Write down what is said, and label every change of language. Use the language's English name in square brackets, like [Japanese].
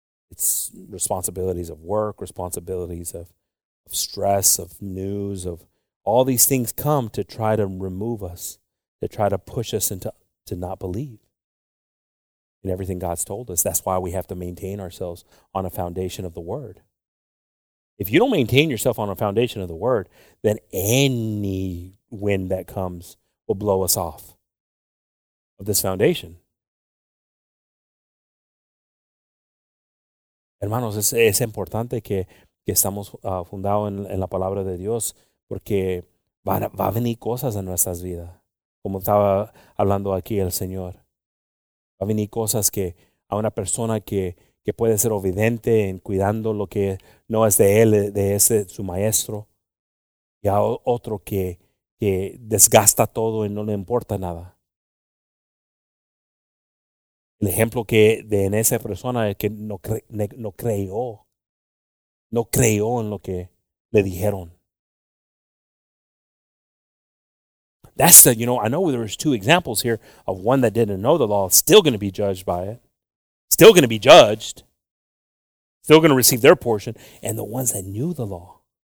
[English] It's responsibilities of work, responsibilities of stress, of news, of all these things come to try to remove us, to try to push us into not believe in everything God's told us. That's why we have to maintain ourselves on a foundation of the Word. If you don't maintain yourself on a foundation of the Word, then any wind that comes will blow us off of this foundation. [Spanish] Hermanos, es importante que estamos fundados en la palabra de Dios, porque va a venir cosas en nuestras vidas. Como estaba hablando aquí el Señor, va a venir cosas que a una persona que puede ser obediente en cuidando lo que no es de él, de ese su maestro, y a otro que desgasta todo y no le importa nada. El ejemplo que de en esa persona es que no creyó en lo que le dijeron. [English] That's the, you know, I know there was two examples here of one that didn't know the law, still going to be judged by it, still going to be judged, still going to receive their portion, and the ones that knew the law.